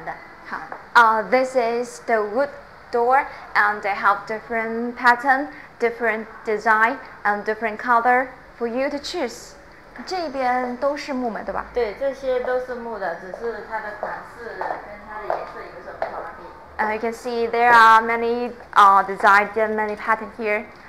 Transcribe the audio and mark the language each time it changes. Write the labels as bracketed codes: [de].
[en] This is the wood door, and they have different pattern, different design, and different color for you to choose. [zh] 这边都是木门对吧？对，这些都是木的，只是它的款式跟它的颜色有所不同而已。 [en] You can see there are many designs and many patterns here.